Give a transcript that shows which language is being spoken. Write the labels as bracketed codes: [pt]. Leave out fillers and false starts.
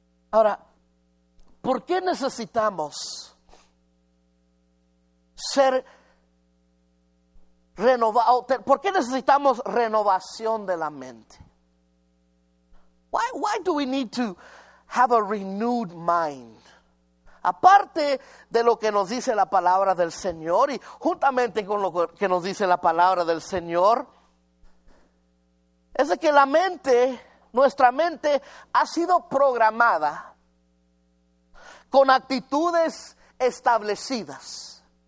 [es] Ahora, ¿por qué necesitamos ser renovados? ¿Por qué necesitamos renovación de la mente? [en] Why do we need to have a renewed mind? [es] Aparte de lo que nos dice la palabra del Señor y juntamente con lo que nos dice la palabra del Señor, es de que la mente, nuestra mente, ha sido programada con actitudes establecidas.